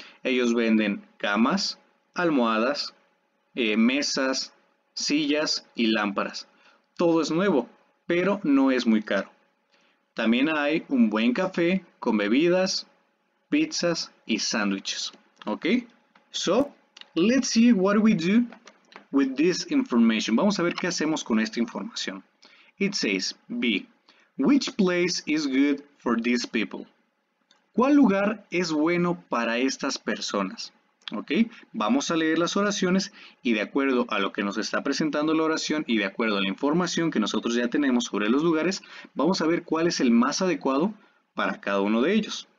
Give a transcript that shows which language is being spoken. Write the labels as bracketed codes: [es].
[es] Ellos venden camas, almohadas, mesas, sillas y lámparas. Todo es nuevo, pero no es muy caro. También hay un buen café con bebidas, pizzas y sándwiches. ¿Ok? [en] So, let's see what we do with this information. [es] Vamos a ver qué hacemos con esta información. [en] It says, B. Which place is good for these people? [es] ¿Cuál lugar es bueno para estas personas? ¿Ok? Vamos a leer las oraciones y de acuerdo a lo que nos está presentando la oración y de acuerdo a la información que nosotros ya tenemos sobre los lugares, vamos a ver cuál es el más adecuado para cada uno de ellos.